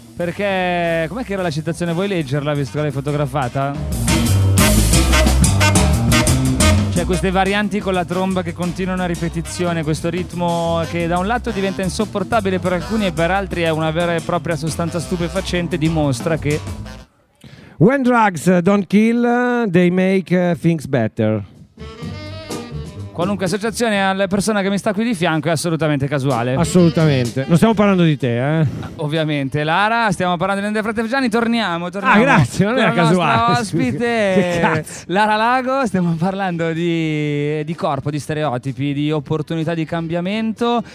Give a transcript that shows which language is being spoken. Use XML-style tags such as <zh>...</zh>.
<it>Perché, com'è che era la citazione? Vuoi leggerla visto che l'hai fotografata? C'è queste varianti con la tromba che continuano a ripetizione, questo ritmo che da un lato diventa insopportabile per alcuni e per altri è una vera e propria sostanza stupefacente, dimostra che...</it> <en>When drugs don't kill, they make things better.</en> <it>Qualunque associazione alla persona che mi sta qui di fianco è assolutamente casuale. Assolutamente. Non stiamo parlando di te, eh? Ovviamente. Lara, stiamo parlando di Andrea Frateggiani. Torniamo. Ah, grazie. Non era casuale. La nostra ospite. Che cazzo. Lara Lago. Stiamo parlando di corpo, di stereotipi, di opportunità di cambiamento.</it>